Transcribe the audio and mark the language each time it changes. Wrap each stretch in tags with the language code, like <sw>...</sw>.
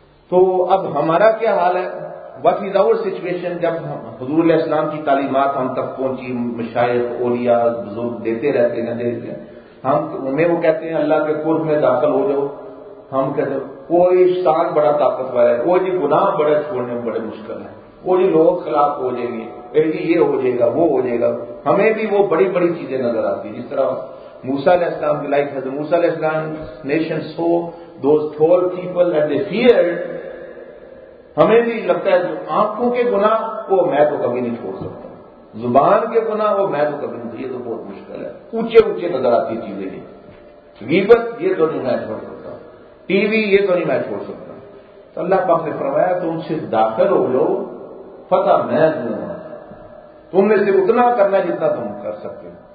<ur>تو اب ہمارا کیا حال ہے,</ur> <en>What is our situation?</en> <ur>جب حضور علیہ السلام کی تعلیمات ہم تک پہنچی, مشائخ اولیاء بزرگ دیتے رہتے ہیں دیتے ہیں, ہم انہیں وہ کہتے ہیں اللہ کے قرب میں داخل ہو جاؤ, ہم کہتے ہیں کوئی شان بڑا طاقتور ہے, وہ جی گناہ بڑے چھوڑنے بڑے مشکل ہیں, وہ جی لوگ خلاف ہو جائیں گے, یہ ہو جائے گا وہ ہو جائے گا, ہمیں بھی وہ بڑی بڑی چیزیں نظر آتی ہیں. جس طرح Musa علیہ السلام کی لائف.</ur> <en>حضرت موسیٰ علیہ السلام's nation saw those tall people and they feared.</en> <ur>ہمیں بھی لگتا ہے جو آنکھوں کے گناہ وہ میں تو کبھی نہیں چھوڑ سکتا, زبان کے گناہ وہ میں تو کبھی نہیں, یہ تو بہت مشکل ہے. اونچے اونچے نظر آتی چیزیں, غیبت یہ تو نہیں میں چھوڑ سکتا, ٹی وی یہ تو نہیں میں چھوڑ سکتا. تو اللہ پاک نے فرمایا تو ان سے داخل ہو لو, فتح میں دوں, تم نے صرف اتنا کرنا جتنا تم کر سکتے ہو.</ur>